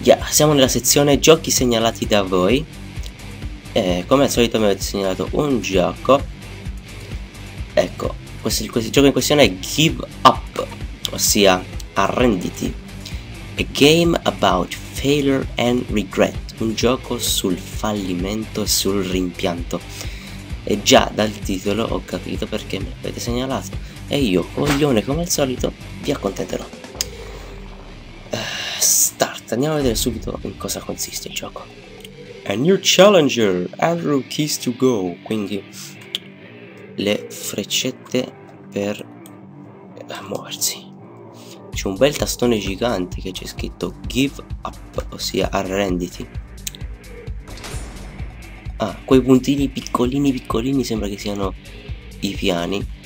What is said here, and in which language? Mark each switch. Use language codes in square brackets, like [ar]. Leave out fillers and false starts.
[it] Siamo nella sezione giochi segnalati da voi. Come al solito mi avete segnalato un gioco. Ecco, questo gioco in questione è Give Up, ossia arrenditi. [en] A game about failure and regret. [it] Un gioco sul fallimento e sul rimpianto. E già dal titolo ho capito perché me l'avete segnalato. E io, coglione, come al solito, vi accontenterò. Start, andiamo a vedere subito in cosa consiste il gioco. [en] A new challenger, arrow keys to go. [it] Quindi le freccette per muoversi. C'è un bel tastone gigante che c'è scritto give up, ossia arrenditi. Ah, quei puntini piccolini sembra che siano i piani.